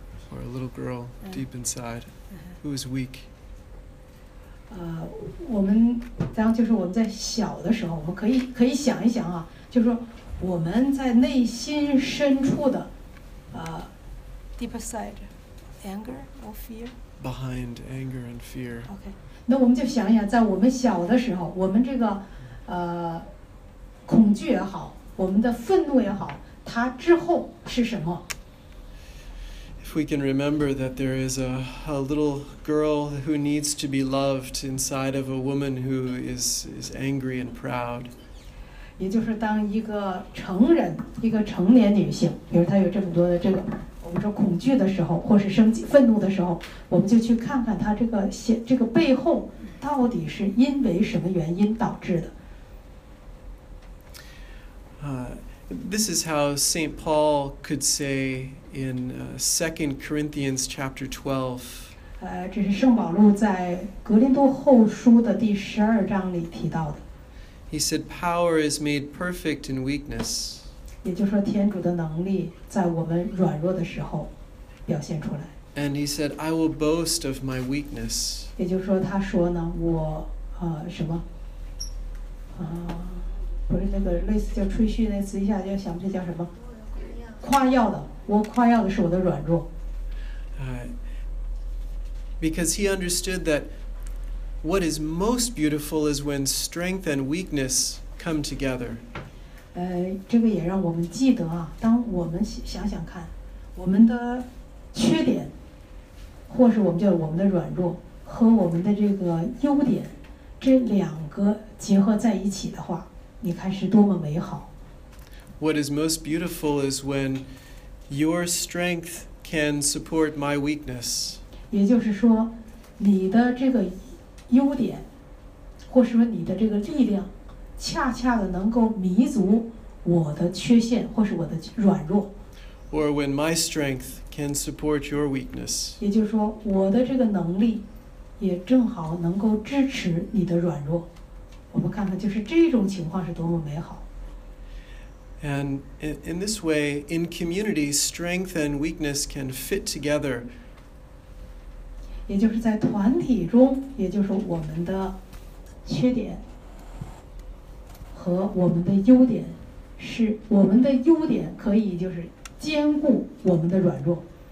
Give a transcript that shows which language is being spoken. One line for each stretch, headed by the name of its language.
English: Or a little girl deep inside who is weak.
Chinese: 我们当就是我们在小的时候，我们可以想一想啊，就是说我们在内心深处的，
English: deep inside, anger or fear. Behind anger and fear.
Chinese: Okay, 那我们就想一想，在我们小的时候，我们这个恐惧也好，我们的愤怒也好，它之后是什么？
English: If we can remember that there is a little girl who needs to be loved inside of a woman who is angry and proud.
Chinese: 也就是当一个成人，一个成年女性，比如她有这么多的这个，我们说恐惧的时候，或是生气、愤怒的时候，我们就去看看她这个背后到底是因为什么原因导致的。
English: This is how St. Paul could say in 2 Corinthians chapter 12.
Chinese: 这是圣保禄在格林多后书的第十二章里提到的。
English: He said, power is made perfect in weakness.
Chinese: 也就是说天主的能力在我们软弱的时候表现出来。
English: And he said, I will boast of my weakness.
Chinese: 也就是说他说呢，我什么？不是那个类似叫吹嘘那词，一下就想不起叫什么，夸耀的。我夸耀的是我的软弱。
English: Because he understood that what is most beautiful is when strength and weakness come together.
Chinese: 这个也让我们记得啊，当我们想想看，我们的缺点，或是我们叫我们的软弱，和我们的这个优点，这两个结合在一起的话。你看是多么美好。
English: What is most beautiful is when your strength can support my weakness.
Chinese: 也就是说，你的这个优点，或是说你的这个力量，恰恰的能够弥足我的缺陷，或是我的软弱。
English: Or when my strength can support your weakness.
Chinese: 也就是说，我的这个能力，也正好能够支持你的软弱。我们看看就是这种情况是多么美好。
English: And in this way, in community, strength and weakness can fit together.
Chinese: 也就是在团体中，也就是我们的缺点和我们的优点，是我们的优点可以就是兼顾我们的软弱。